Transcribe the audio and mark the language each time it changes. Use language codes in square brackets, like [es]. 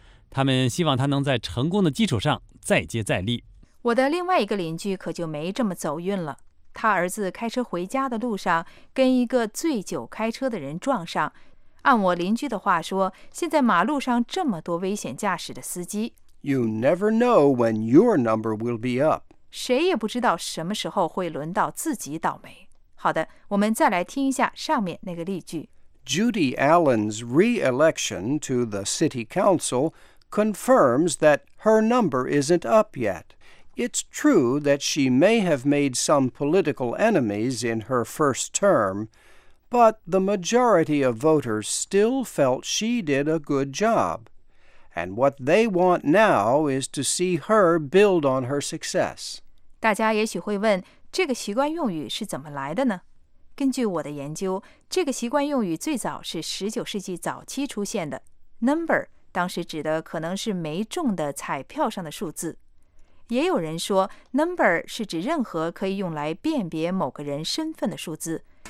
[zh] 他们希望他能在成功的基础上再接再厉。我的另外一个邻居可就没这么走运了。他儿子开车回家的路上跟一个醉酒开车的人撞上。按我邻居的话说，现在马路上这么多危险驾驶的司机。 [en] You never know when your number will be up. [zh] 谁也不知道什么时候会轮到自己倒霉。好的，我们再来听一下上面那个例句。 [en] Judy Allen's re-election to the city council confirms that her number isn't up yet. It's true that she may have made some political enemies in her first term, but the majority of voters still felt she did a good job. And what they want now is to see her build on her success. [zh] 大家也许会问，这个习惯用语是怎么来的呢？根据我的研究，这个习惯用语最早是19世纪早期出现的。 Number 当时指的可能是没中的彩票上的数字。也有人说 ，number 是指任何可以用来辨别某个人身份的数字。